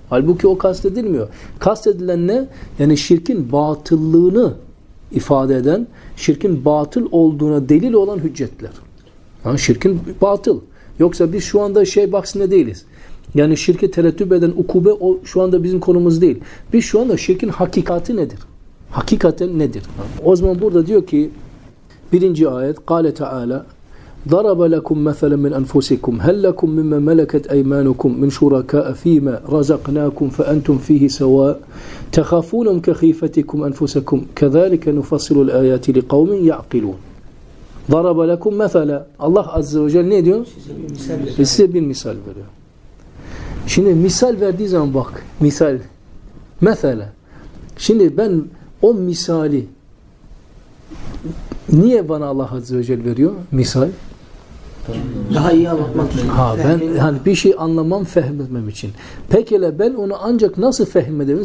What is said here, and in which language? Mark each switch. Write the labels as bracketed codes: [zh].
[tr] Halbuki o kastedilmiyor. Kastedilen ne? Yani şirkin batıllığını ifade eden, şirkin batıl olduğuna delil olan hüccetler. Ha, şirkin batıl. Yoksa biz şu anda şey bahsinde değiliz. Yani şirke terettüp eden ukube o şu anda bizim konumuz değil. Biz şu anda şirkin hakikati nedir? Hakikaten nedir? O zaman burada diyor ki birinci ayet [ar] قَالَ تَعَالَى ضَرَبَ لَكُمْ مَثَلًا مِنْ أَنْفُسِكُمْ هَلْ لَكُمْ مِمَّا مَلَكَتْ اَيْمَانُكُمْ مِنْ شُرَكَاءَ فِي مَا رَزَقْنَاكُمْ فَأَنْتُمْ فِيهِ سَوَاءَ تَخَافُونَهُمْ كَخِيفَتِكُمْ أَنْفُسَكُمْ كَذَلِكَ نُفَصِّلُ الْآيَاتِ لِقَوْمٍ يَعْقِلُونَ ضَرَبَ لَكُمْ مَثَلًا [tr] Allah Azze ve Celle ne diyor? Size bir misal veriyor. Şimdi misal verdiği zaman bak, misal Mesela, şimdi ben o misali niye bana Allah Azze ve Celle veriyor misal? Daha iyi anlatmak için. Ha, ben hani bir şey anlamam, fehmetmem için. Pekala, ben onu ancak nasıl fehmedeyim?